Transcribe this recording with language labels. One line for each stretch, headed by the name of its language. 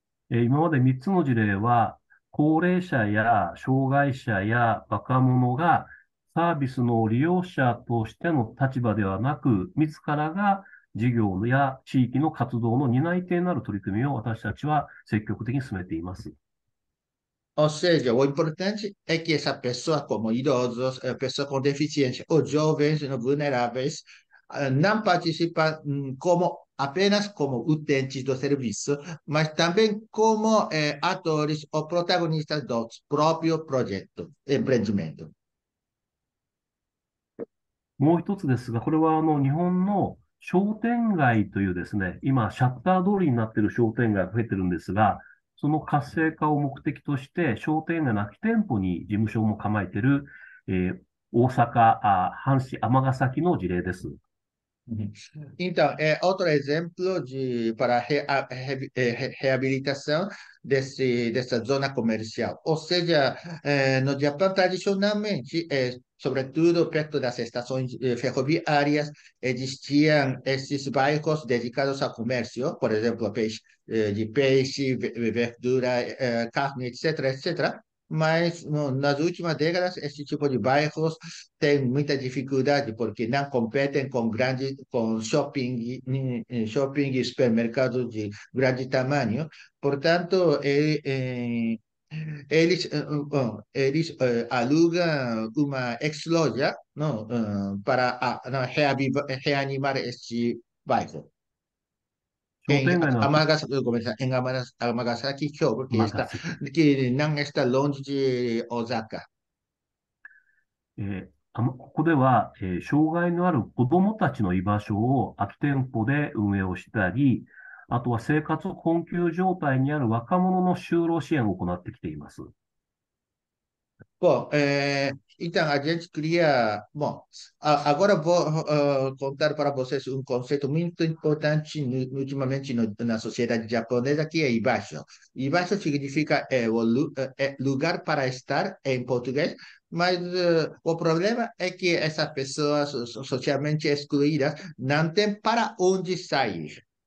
Japanese: 今まで3つの事例は、高齢者や障害者や若者がサービスの利用者としての立場ではなく、自らが事業や地域の活動の担い手になる取り組みを私たちは積極的に進めています。
Portuguese: Ou seja, o importante é que essa pessoa, como idosos, pessoa com deficiência, ou jovens vulneráveis, não participa apenas como utentes do serviço, mas também como atores ou protagonistas do próprio projeto, empreendimento. もう一つですが、これは日本の商店街というですね、今シャッター通りになっている商店街が増えてるんですが、その活性化を目的として、商店街の空き店舗に事務所も構えてる、大阪、阪神、尼崎の事例です。 Então, é outro exemplo para reabilitação dessa zona comercial. Ou seja, no Japão, tradicionalmente, sobretudo perto das estações ferroviárias, existiam esses bairros dedicados ao comércio, por exemplo, de peixe, verdura, carne, etc., etc. Mas no, nas últimas décadas, esse tipo de bairros tem muita dificuldade, porque não competem com shopping e supermercados de grande tamanho. Portanto, eles alugam uma ex-loja, não, para reanimar este bairro.
Japanese: 商
Portuguese: Em
Japanese: 店街の空き、
Portuguese: Amagasaki,
Japanese: 尼崎。
Portuguese: que não está longe de Osaka.
Japanese: ここでは、障害のある子供たちの居場所を空き店舗で運営をしたり、あとは生活困窮状態にある若者の就労支援を行ってきています。
Portuguese: Bom, então a gente cria. Bom, agora vou contar para vocês um conceito muito importante ultimamente no, na sociedade japonesa, que é Ibasho. Ibasho significa lugar para estar em português, mas o problema é que essas pessoas socialmente excluídas não têm para onde sair.